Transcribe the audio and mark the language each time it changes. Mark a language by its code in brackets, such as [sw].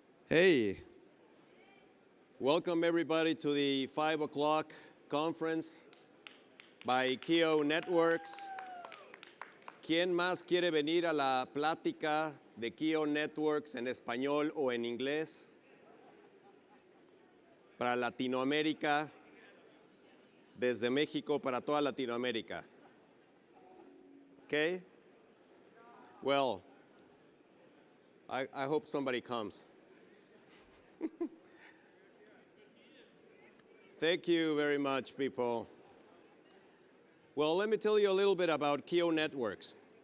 [en] Hey, welcome everybody to the 5 o'clock conference by KIO Networks. [es] ¿Quién más quiere venir a la plática de KIO Networks en español o en inglés? Para Latinoamérica, desde México para toda Latinoamérica. [en] Okay? Well, I hope somebody comes. Thank you very much, people. Well, let me tell you a little bit about KIO Networks.